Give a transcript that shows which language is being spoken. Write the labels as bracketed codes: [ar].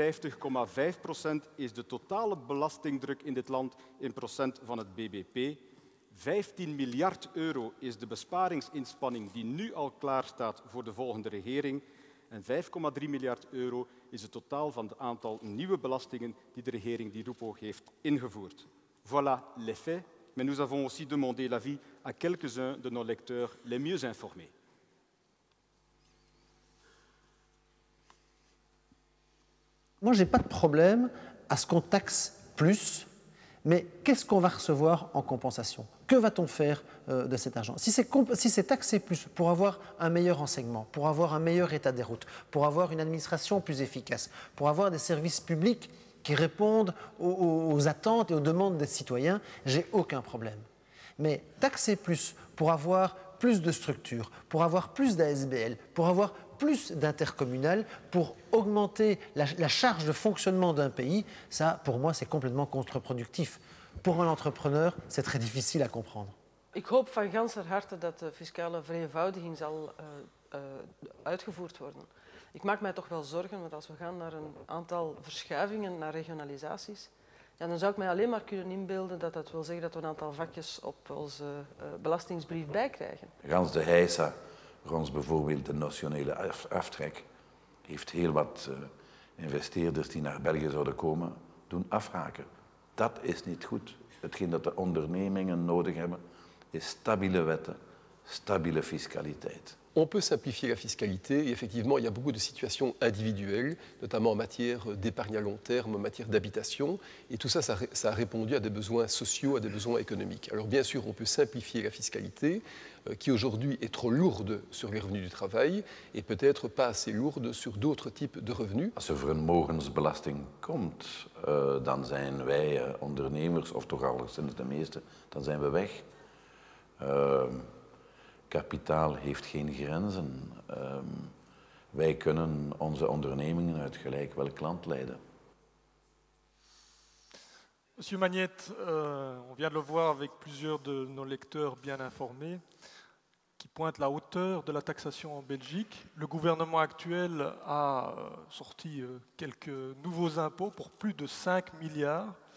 [nl] 51,5% is de totale belastingdruk in dit land in procent van het BBP. 15 miljard euro is de besparingsinspanning die nu al klaarstaat voor de volgende regering. En 5,3 miljard euro is het totaal van het aantal nieuwe belastingen die de regering Di Rupo heeft ingevoerd. [fr] Voilà les faits. Mais nous avons aussi demandé l'avis à quelques-uns de nos lecteurs les mieux informés. Moi, je n'ai pas de problème à ce qu'on taxe plus, mais qu'est-ce qu'on va recevoir en compensation? Que va-t-on faire de cet argent? Si c'est taxé plus pour avoir un meilleur enseignement, pour avoir un meilleur état des routes, pour avoir une administration plus efficace, pour avoir des services publics qui répondent aux attentes et aux demandes des citoyens, j'ai aucun problème. Mais taxer plus pour avoir plus de structures, pour avoir plus d'ASBL, pour avoir plus d'intercommunal, pour augmenter la charge de fonctionnement d'un pays, ça, pour moi, c'est complètement contre-productif. Pour un entrepreneur, c'est très difficile à comprendre. [nl] Ik hoop van ganser harte dat de fiscale vereenvoudiging zal uitgevoerd worden. Ik maak mij toch wel zorgen, want als we gaan naar een aantal verschuivingen, naar regionalisaties, ja, dan zou ik mij alleen maar kunnen inbeelden dat dat wil zeggen dat we een aantal vakjes op onze belastingsbrief bijkrijgen. Gans de heisa, gans bijvoorbeeld de nationale aftrek, heeft heel wat investeerders die naar België zouden komen doen afhaken. Dat is niet goed. Hetgeen dat de ondernemingen nodig hebben, is stabiele wetten, stabiele fiscaliteit. [fr] On peut simplifier la fiscalité et effectivement, il y a beaucoup de situations individuelles, notamment en matière d'épargne à long terme, en matière d'habitation. Et tout ça, ça a répondu à des besoins sociaux, à des besoins économiques. Alors bien sûr, on peut simplifier la fiscalité qui aujourd'hui est trop lourde sur les revenus du travail et peut-être pas assez lourde sur d'autres types de revenus. [nl] Als er vermogensbelasting komt, dan zijn wij ondernemers, of toch alleszins de meeste, dan zijn we weg. Kapitaal heeft geen grenzen. Wij kunnen onze ondernemingen uit gelijk welk land leiden. [fr] Monsieur Magnette, on vient de le voir avec plusieurs de nos lecteurs bien informés. qui pointe la hauteur de la taxation en Belgique. Le gouvernement actuel a sorti quelques nouveaux impôts pour plus de 5 milliards.